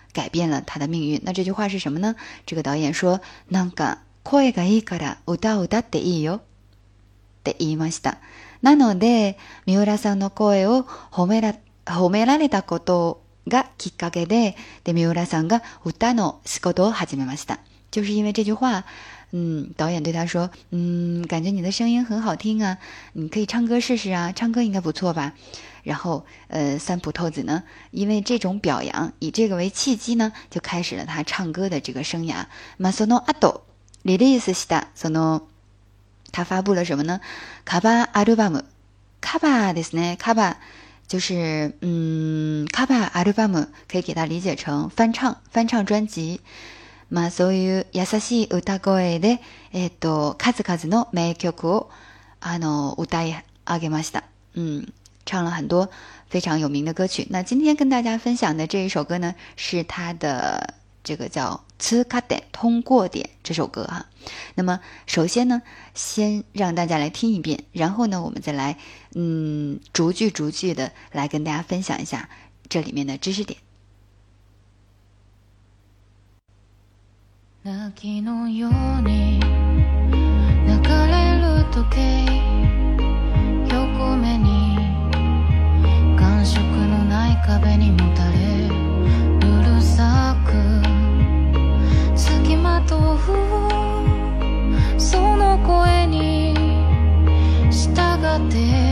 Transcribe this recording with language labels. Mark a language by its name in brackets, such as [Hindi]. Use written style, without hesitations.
[Chinese] 改变了他的命运。那这句话是什么呢？这个导演说：“ [Japanese] なんか声がいいから歌を歌っていいよ。” って言いました。なので、三浦さんの声を褒められたことがきっかけで、で三浦さんが歌の仕事を始めました。 [Chinese] 就是因为这句话，导演对他说：“感觉你的声音很好听啊，你可以唱歌试试啊，唱歌应该不错吧。” 然后，三浦透子呢，因为这种表扬，以这个为契机呢，就开始了他唱歌的这个生涯。 [Japanese] まあその後、リリースした、その、 [Chinese] 他发布了什么呢？ [Japanese] カバーアルバム。カバーですね。カバー。 [Chinese] 就是cover album 可以给它理解成翻唱专辑。 [Japanese] まあそういう優しい歌声で、数々の名曲を歌い上げました。 [Chinese] 唱了很多非常有名的歌曲。那今天跟大家分享的这一首歌呢，是他的这个叫《通过点》通过点这首歌哈。那么首先呢，先让大家来听一遍，然后呢，我们再来逐句逐句的来跟大家分享一下这里面的知识点。 [Japanese] 泣きのように流れる時計横目に感触のない壁にもたれうるさく隙間とふうその声に従って